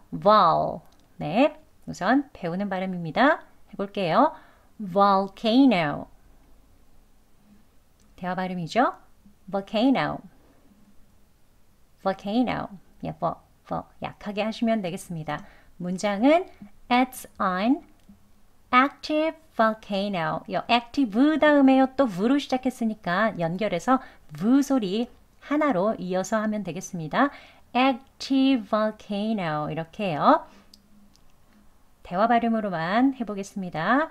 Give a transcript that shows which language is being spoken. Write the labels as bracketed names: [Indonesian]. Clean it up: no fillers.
[English] vol. [Korean] 네, 우선 배우는 발음입니다. 해볼게요. volcano. 대화 발음이죠? volcano. volcano. 예, 버 약하게 하시면 되겠습니다. 문장은 [English] it's on active volcano. [Korean] 요 active 다음에요. 또 v로 시작했으니까 연결해서 v 소리 하나로 이어서 하면 되겠습니다. [English] active volcano [Korean] 이렇게요. 대화 발음으로만 해보겠습니다.